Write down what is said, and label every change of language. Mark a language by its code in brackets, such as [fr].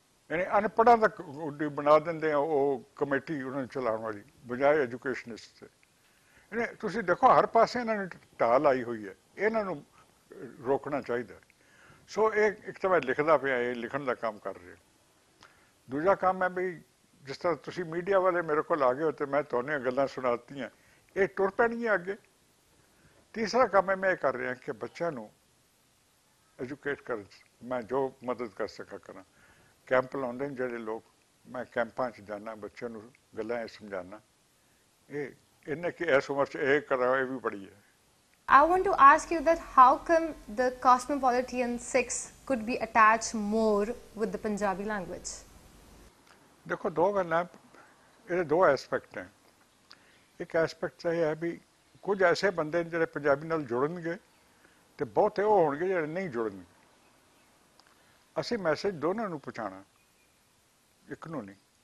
[pa] ਯਾਨੀ ਅਨਪੜ੍ਹਾਂ ਦਾ ਬਣਾ ਦਿੰਦੇ ਆ ਉਹ ਕਮੇਟੀ ਉਹਨਾਂ ਨੂੰ ਚਲਾਉਣ ਵਾਲੀ ਬਜਾਏ ਐਜੂਕੇਸ਼ਨਿਸਟ ਅਤੇ ਯਾਨੀ ਤੁਸੀਂ ਦੇਖੋ ਹਰ ਪਾਸੇ ਇਹਨਾਂ ਨੂੰ ਢਾਲ ਆਈ ਹੋਈ ਹੈ ਇਹਨਾਂ ਨੂੰ ਰੋਕਣਾ ਚਾਹੀਦਾ ਸੋ ਇਹ ਇੱਕ ਤਾਂ ਮੈਂ ਲਿਖਦਾ ਪਿਆ ਇਹ ਲਿਖਣ ਦਾ ਕੰਮ ਕਰ ਰਿਹਾ ਦੂਜਾ ਕੰਮ ਹੈ ਬਈ ਜਿਸ ਤਰ੍ਹਾਂ ਤੁਸੀਂ ਮੀਡੀਆ ਵਾਲੇ ਮੇਰੇ ਕੋਲ ਆ ਗਏ ਅਤੇ ਮੈਂ ਤੁਹਾਨੂੰ ਗੱਲਾਂ ਸੁਣਾ ਦਿੱਤੀਆਂ ਇਹ ਤੁਰ ਪੈਣਗੀਆਂ ਅੱਗੇ ਤੀਸਰਾ ਕੰਮ ਹੈ ਮੈਂ ਇਹ ਕਰ ਰਿਹਾ ਕਿ ਬੱਚਿਆਂ ਨੂੰ ਐਜੂਕੇਟ ਕਰਨ 'ਚ ਮੈਂ ਜੋ ਮਦਦ ਕਰ ਸਕਾਂ ਕਰਾਂ ਕੈਂਪ ਲਾਉਂਦੇ ਨੇ ਜਿਹੜੇ ਲੋਕ ਮੈਂ ਕੈਂਪਾਂ 'ਚ ਜਾਂਦਾ ਬੱਚਿਆਂ ਨੂੰ ਗੱਲਾਂ ਇਹ ਸਮਝਾਉਂਦਾ ਇਹ ਇਹਨੇ ਕਿ ਇਸ ਉਮਰ 'ਚ ਇਹ ਕਰਾਂ ਇਹ ਵੀ ਬੜੀ ਹੈ [en] I want to ask you that how come the cosmopolitan Sikhs could be attached more with the Punjabi language? [pa] ਦੇਖੋ ਦੋ ਗੱਲਾਂ ਇਹਦੇ ਦੋ ਐਸਪੈਕਟ ਹੈ ਇੱਕ ਐਸਪੈਕਟ ਇਹ ਹੈ ਵੀ ਕੁਝ ਐਸੇ ਬੰਦੇ ਨੇ ਜਿਹੜੇ ਪੰਜਾਬੀ ਨਾਲ ਜੁੜਨਗੇ ਅਤੇ ਬਹੁਤੇ ਉਹ ਹੋਣਗੇ ਜਿਹੜੇ ਨਹੀਂ ਜੁੜਨਗੇ ਅਸੀਂ ਮੈਸੇਜ ਦੋਨਾਂ ਨੂੰ ਪਹੁੰਚਾਉਣਾ ਇੱਕ ਨੂੰ ਨਹੀਂ